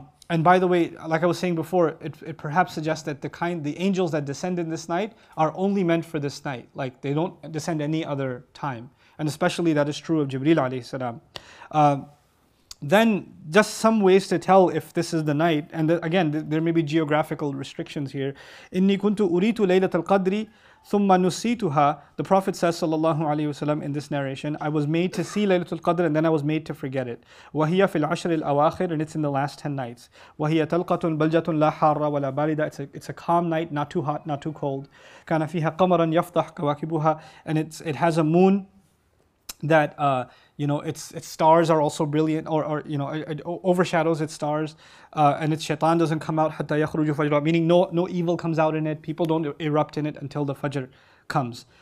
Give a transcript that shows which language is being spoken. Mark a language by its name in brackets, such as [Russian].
[English] And by the way, like I was saying before, it perhaps suggests that the angels that descend in this night are only meant for this night. Like they don't descend any other time. And especially that is true of Jibreel alayhi salam. Then just some ways to tell if this is the night, and again, there may be geographical restrictions here. [Arabic] إِنِّي كُنْتُ أُرِيتُ لَيْلَةَ الْقَدْرِ ثُمَّ نُسِيتُهَا. [English] The Prophet says, sallallahu alayhi wasallam, in this narration, I was made to see Laylatul Qadr and then I was made to forget it. [Arabic] وَهِيَ فِي الْعَشْرِ الْأَوَاخِرِ, [English] and it's in the last 10 nights. [Arabic] وَهِيَ تَلْقَةٌ بَلْجَةٌ لَا حَارَّ وَلَا بَارِدَ. [English] It's a calm night, not too hot, not too cold. [Arabic] كَانَ فِيهَا قَمَرًا يَفْضَحْ كَوَاكِبُهَا, [English] and it has a moon that its stars are also brilliant, or it overshadows its stars, and its shaitan doesn't come out, [Arabic] حَتَّى يَخْرُجُ فَجْرًا, [English] meaning no evil comes out in it, people don't erupt in it until the fajr comes.